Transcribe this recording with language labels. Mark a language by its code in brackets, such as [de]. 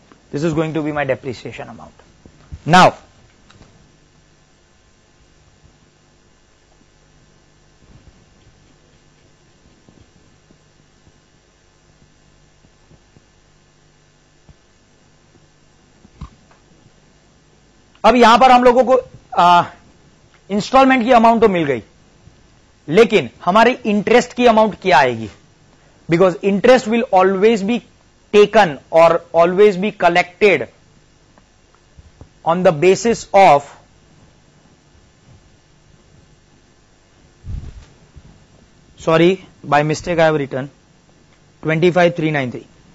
[en] This is going to be my depreciation amount. [hi] Now, अब यहां पर हम लोगों को इंस्टॉलमेंट की अमाउंट तो मिल गई, लेकिन हमारी इंटरेस्ट की अमाउंट क्या आएगी? [en] Because interest will always be taken or always be collected on the basis of by mistake I have written 25,393.